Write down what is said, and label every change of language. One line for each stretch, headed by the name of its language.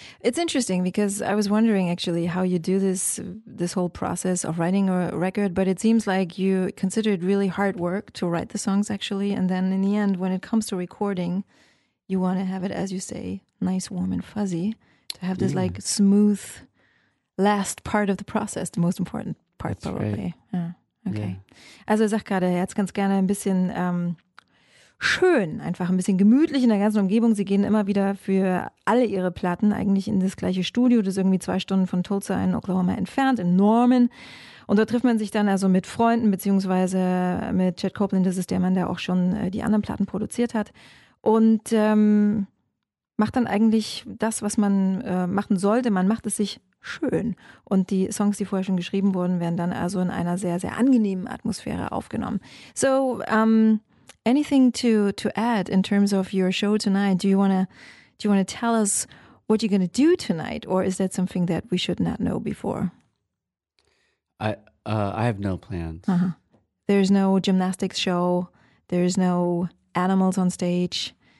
English: It's interesting because I was wondering actually how you do this whole process of writing a record, but it seems like you consider it really hard work to write the songs actually, and then in the end, when it comes to recording, you want to have it, as you say, nice, warm, and fuzzy, to have this like smooth last part of the process, the most important part. That's probably. Right. Yeah. Okay. Yeah.
German: Also, ich sag gerade, jetzt ganz gerne ein bisschen schön, einfach ein bisschen gemütlich in der ganzen Umgebung. Sie gehen immer wieder für alle ihre Platten eigentlich in das gleiche Studio, das ist irgendwie 2 Stunden von Tulsa in Oklahoma entfernt, in Norman. Und da trifft man sich dann also mit Freunden, beziehungsweise mit Chet Copeland, das ist der Mann, der auch schon die anderen Platten produziert hat. Und macht dann eigentlich das, was man machen sollte. Man macht es sich schön. Und die Songs, die vorher schon geschrieben wurden, werden dann also in einer sehr, sehr angenehmen Atmosphäre aufgenommen.
English: So, anything to add in terms of your show tonight? Do you wanna tell us what you're gonna do tonight, or is that something that we should not know before? I have no plans. Uh-huh. There's no gymnastics show. There's no animals on stage.